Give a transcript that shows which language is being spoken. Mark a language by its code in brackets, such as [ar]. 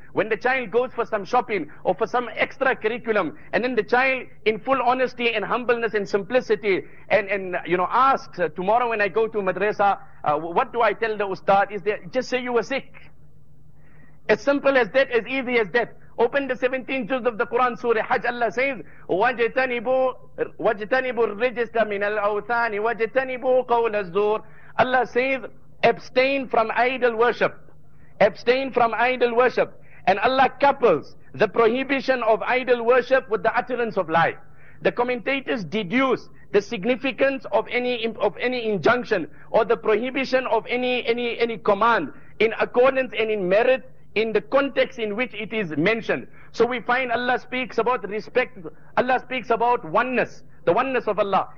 [en] When the child goes for some shopping or for some extra curriculum, and then the child in full honesty and humbleness and simplicity and you know, asks, tomorrow when I go to madrasa, what do I tell the ustad? Is there, just say you were sick. As simple as that, as easy as that. Open the 17th juz of the Quran Surah Hajj. Allah says, [ar] وَجْتَنِبُوا الرِّجِسَ مِنَ الْأَوْثَانِ وَجْتَنِبُوا قَوْلَ الزُّورِ. [en] Allah says, abstain from idol worship. Abstain from idol worship. And Allah couples the prohibition of idol worship with the utterance of lie. The commentators deduce the significance of any injunction or the prohibition of any command in accordance and in merit in the context in which it is mentioned. So we find Allah speaks about respect, Allah speaks about oneness, the oneness of Allah.